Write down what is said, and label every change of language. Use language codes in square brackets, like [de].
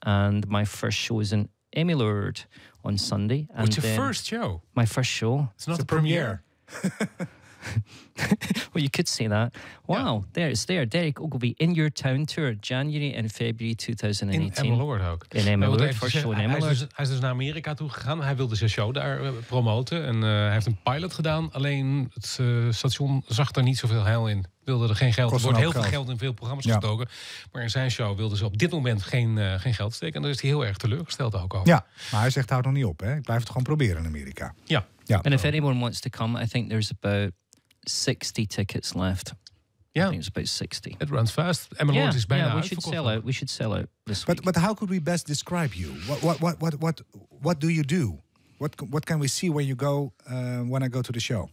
[en] And my first show is in Emmeloord on Sunday. What's your first show? My first show. It's not the premiere. Well, you could say that. Wow, yeah. There it's there. Derek Ogilvie in your town tour, January and February 2018. [nl] In Emmeloord ook. [en] In Emmeloord, first show in Emmeloord. [nl] Hij is dus naar Amerika toe gegaan. Hij wilde zijn show daar promoten. En hij heeft een pilot gedaan. Alleen het station zag daar niet zoveel heil in. Wilde er geen geld. Er wordt heel veel geld in veel programma's gestoken. Maar in zijn show wilden ze op dit moment geen geld steken. En daar is hij heel erg teleurgesteld ook over. Ja, maar hij zegt, houd nog niet op. Hè? Ik blijf het gewoon proberen in Amerika. Ja. [en] En if anyone wants to come, I think there's about 60 tickets left. Yeah. I think it's about 60. It runs fast. [nl] Emmeloord is bijna uitverkocht. [en] Yeah, we should sell out this week. But how could we best describe you? What do you do? What can we see when you go, when I go to the show?